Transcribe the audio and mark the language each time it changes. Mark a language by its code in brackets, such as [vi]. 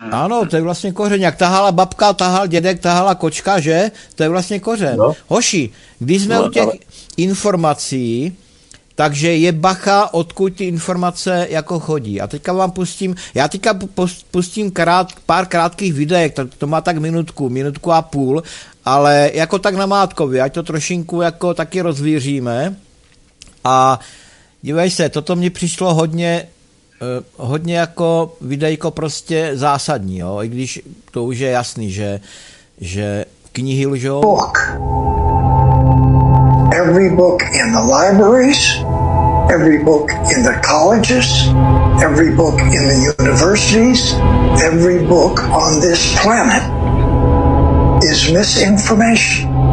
[cs] Ano, to je vlastně kořen, jak tahala babka, tahal dědek, tahala kočka, že? To je vlastně kořen. No. Hoši, když jsme informací... Takže je bacha, odkud ty informace jako chodí. A teďka vám pustím, já teďka pustím pár krátkých videek, to má tak minutku a půl, ale jako tak namátkově, ať to trošinku jako taky rozvíříme. A dívej se, toto mi přišlo hodně jako videjko prostě zásadní, jo? I když to už je jasný, že knihy lžou. [en] Every book in the libraries, every book in the colleges, every book in the universities, every book on this planet is misinformation.